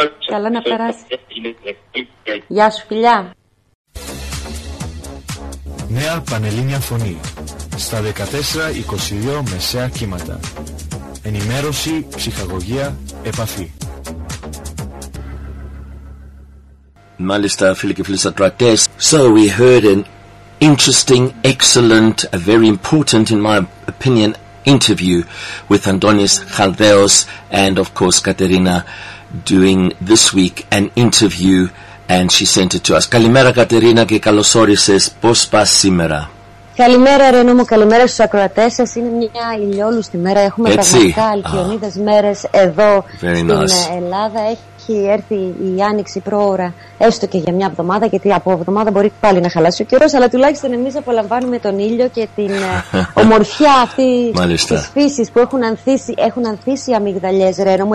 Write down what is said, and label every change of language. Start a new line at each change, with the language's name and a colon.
Greek: Καλά να περάσει. Γεια σου, φιλιά. Νέα Πανελλήνια Φωνή στα 14-22 μεσαία κύματα. Ενημέρωση, ψυχαγωγία, επαφή. Μάλιστα, φίλοι και φίλες ακροατές,
English: so we heard an interesting, excellent, very important, in my opinion, interview with Antonis Chaldeos and, of course, Katerina, doing this week an interview, and she sent it to us.
Greek: Καλημέρα, Κατερίνα, και καλώς όρισες. Πώς πας σήμερα? Καλημέρα, Ρενού μου. Καλημέρα στους ακροατές σας. Είναι μια ηλιόλουστη μέρα. Έχουμε πραγματικά αλκιονίδες μέρες εδώ
English: very
Greek: στην
English: nice.
Greek: Ελλάδα. Έχει έρθει η άνοιξη προώρα, έστω και για μια εβδομάδα, γιατί από εβδομάδα μπορεί πάλι να χαλάσει ο καιρός, αλλά τουλάχιστον εμείς απολαμβάνουμε τον ήλιο και την ομορφιά αυτή τη φύση που έχουν ανθίσει οι αμυγδαλιές, Ρένο μου.